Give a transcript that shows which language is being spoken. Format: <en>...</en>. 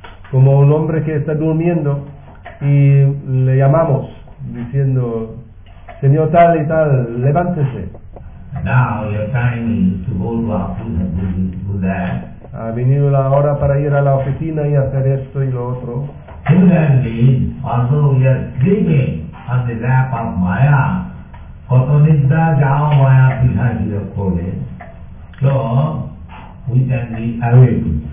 <es>como un hombre que está durmiendo y le llamamos diciendo, Señor tal y tal, levántese.</es> <en>Now your time is to go to office and do that.</en> <es>Ha venido la hora para ir a la oficina y hacer esto y lo otro.</es> <en>Similarly, although we are sleeping on the lap of Maya, Kotonidra Jao Maya Pihari of Kole, so we can be awake.</en>